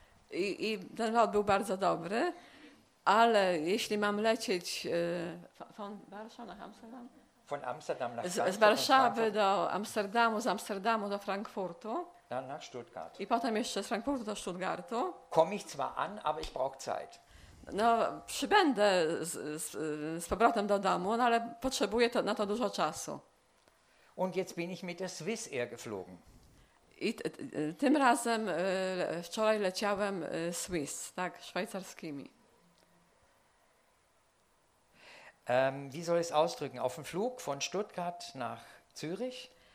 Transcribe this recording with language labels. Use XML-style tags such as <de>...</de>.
<pl>I ten lot był bardzo dobry, ale jeśli mam lecieć</pl> <de>von Warschau nach Amsterdam? Von Amsterdam nach</de> <pl>z Warszawy do Amsterdamu, z Amsterdamu do Frankfurtu.</pl> <de>Dann nach Stuttgart.</de> <pl>I potem jeszcze z Frankfurtu do Stuttgartu.</pl> <de>Komm ich zwar an, aber ich brauche Zeit.</de> <pl>No, przybędę z powrotem do domu, no, ale potrzebuję to, na to dużo czasu.</pl> <de>Und jetzt bin ich mit der Swiss Air geflogen.</de> <pl>I tym razem wczoraj leciałem Swiss, tak, szwajcarskimi.</pl> <de>Wie soll ich es ausdrücken? Auf dem Flug von Stuttgart nach Zürich?</de>